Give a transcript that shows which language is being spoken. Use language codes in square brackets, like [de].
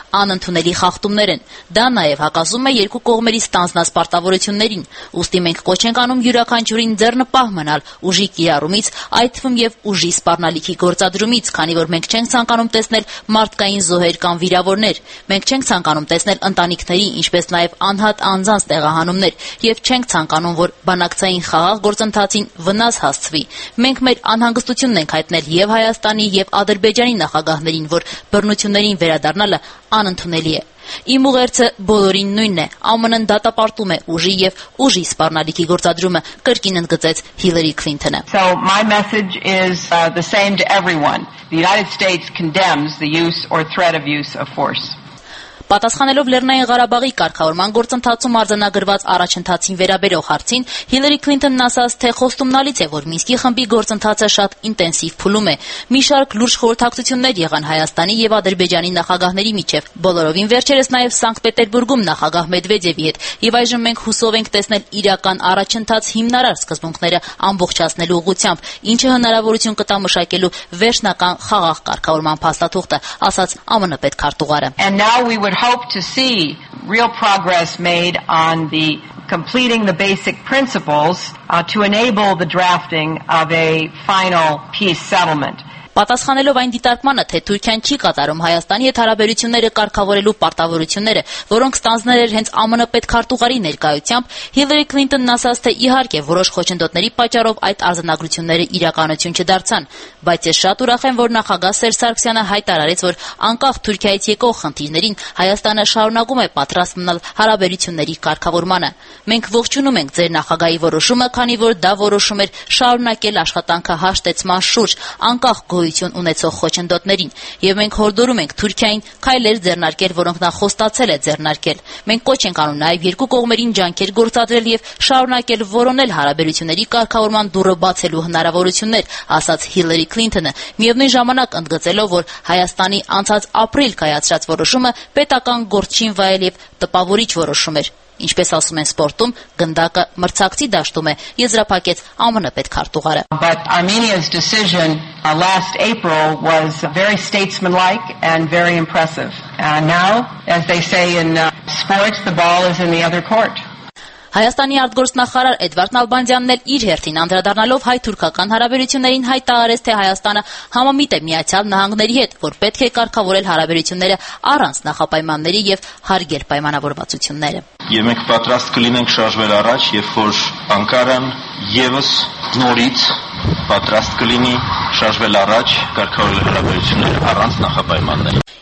[hy] անընդունելի խախտումներ են։ Դա նաև հակասում է երկու կողմերի ստանձնած պարտավորություններին։ Ուստի մենք կոչ ենք անում յուրաքանչյուրին ձեռնպահ մնալ ուժի կիրառումից, այդ թվում և ուժի սպառնալիքի գործադրումից, քանի որ մենք չենք ցանկանում տեսնել մարդկային զոհեր կամ վիրավորներ, մենք չենք ցանկանում տեսնել ընտանիքների, ինչպես նաև անհատ անձանց տեղահանումներ, և չենք ցանկանում, որ բանակցային խաղաղ գործընթացին վնաս հասցվի։ Մենք մեր անհանգստությունն ենք հայտնել և Հայաստանի, և Ադրբեջանի նախագահներին, որ բռնություններին վերադառնալը անընդունելի է։ Իմ ուղերձը բոլորին նույնն է, ԱՄՆ-ն դատապարտում է ուժի և ուժի սպառնալիքի գործադրումը, կրկին ընդգծեց Հիլարի Քլինթոնը։ [en] So my message is the same to everyone. The United States condemns the use or threat of use of force. [hy] Պատասխանելով Լեռնային Ղարաբաղի կարգավորման գործընթացում արձանագրված առաջընթացին վերաբերող հարցին, Հիլարի Քլինթոնն ասաց, թե խոստումնալից է, որ Մինսկի խմբի գործընթացը շատ ինտենսիվ փուլում է։ Մի շարք լուրջ խորհրդակցություններ եղան Հայաստանի և Ադրբեջանի նախագահների միջև, բոլորովին վերջերս նաև Սանկտ Պետերբուրգում նախագահ Մեդվեդևի հետ, և այժմ մենք հուսով ենք տեսնել իրական առաջընթաց հիմնարար սկզբունքները ամբողջացնելու ուղղությամբ, ինչը հնարավորություն կտա մշակելու վերջնական խաղաղ կարգավորման փաստաթուղթը, ասաց ԱՄՆ պետքարտուղարը։ [en] We would hope to see real progress made on the completing the basic principles to enable the drafting of a final peace settlement. [hy] Պատասխանելով այն դիտարկմանը, թե Թուրքիան չի կատարում Հայաստանի հետ հարաբերությունները կարգավորելու պարտավորությունները, որոնք ստանձնել էր հենց ԱՄՆ պետքարտուղարի ներկայությամբ, Հիլարի Քլինթոնն ասաց, թե իհարկե որոշ խոչընդոտների պատճառով այդ արձանագրությունները իրականություն չդարձան, բայց ես շատ ուրախ եմ, որ նախագահ Սերժ Սարգսյանը հայտարարեց, որ անկախ Թուրքիայից եկող խնդիրներին Հայաստանը շարունակում է պատրաստ մնալ հարաբերությունների կարգավորմանը։ Մենք ողջունում ենք ձեր նախագահի որոշումը, քանի որ դա որոշում էր շարունակել աշխատանքը հաշտեցման շուրջ, անկախ գոյություն ունեցող խոչընդոտներին, և մենք հորդորում ենք Թուրքիային քայլեր ձեռնարկել, որոնք նա խոստացել է ձեռնարկել։ Մենք կոչ ենք անում նաև երկու կողմերին ջանքեր գործադրել և շարունակել որոնել հարաբերությունների կարգավորման դուռը բացելու հնարավորություններ, ասաց Հիլարի Քլինթոնը, միևնույն ժամանակ ընդգծելով, որ Հայաստանի անցած ապրիլ կայացրած որոշումը պետական գործչին վայել և տպավորիչ որոշում էր։ Ինչպես ասում են սպորտում, գնդակը մրցակցի դաշտում է, եզրափակեց ԱՄՆ պետքարտուղարը։ [en] But Armenia's decision last April was very statesmanlike and very impressive. And now, as they say in sports, the ball is in the other court. [hy] Հայաստանի արտգործնախարար Էդվարդ Նալբանդյանն էլ իր հերթին անդրադառնալով հայ-թուրքական հարաբերություններին հայտարարեց, թե Հայաստանը համամիտ է Միացյալ Նահանգների հետ, որ պետք է կարգավորել հարաբերությունները առանց նախապայմանների եւ հարգեր պայմանավորվածությունները։ Եվ մենք պատրաստ կլինենք շարժվել առաջ, երբ որ Անկարան եւս նորից պատրաստ կլինի շարժվել առաջ, կարգավորել հարաբերությունները առանց նախապայմանների։